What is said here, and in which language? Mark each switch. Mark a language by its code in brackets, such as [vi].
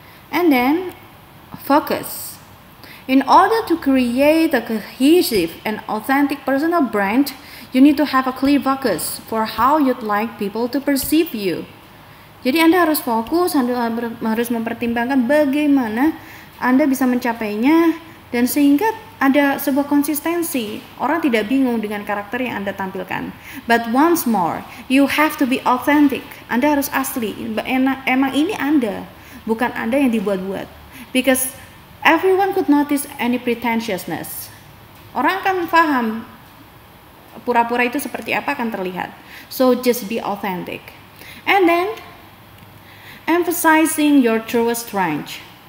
[en] And then focus. In order to create a cohesive and authentic personal brand, you need to have a clear focus for how you'd like people to perceive you. [id] Jadi Anda harus fokus, Anda harus mempertimbangkan bagaimana Anda bisa mencapainya, dan sehingga ada sebuah konsistensi, orang tidak bingung dengan karakter yang Anda tampilkan. [en] But once more, you have to be authentic. [id] Anda harus asli, emang ini Anda, bukan Anda yang dibuat-buat. [en] Because everyone could notice any pretentiousness. [id] Orang akan paham pura-pura itu seperti apa akan terlihat. [en] So just be authentic. And then emphasizing your truest strength.